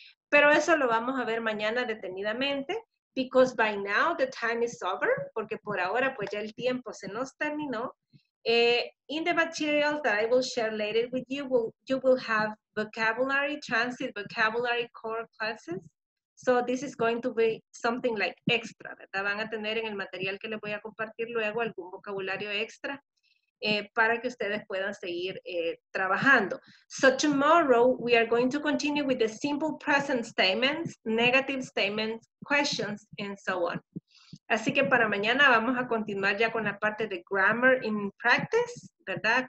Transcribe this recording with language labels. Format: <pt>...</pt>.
<es>Pero eso lo vamos a ver mañana detenidamente,</es> <en>because by now the time is over,</en> <es>porque por ahora pues ya el tiempo se nos terminó.</es> <en>In the materials that I will share later with you, you will have vocabulary, transit, vocabulary, core classes. So this is going to be something like extra, ¿verdad?</en> <es>Van a tener en el material que les voy a compartir luego algún vocabulario extra para que ustedes puedan seguir trabajando.</es> <en>So tomorrow we are going to continue with the simple present statements, negative statements, questions, and so on.</en> <es>Así que para mañana vamos a continuar ya con la parte de</es> <en>grammar in practice,</en> <es>¿verdad?</es>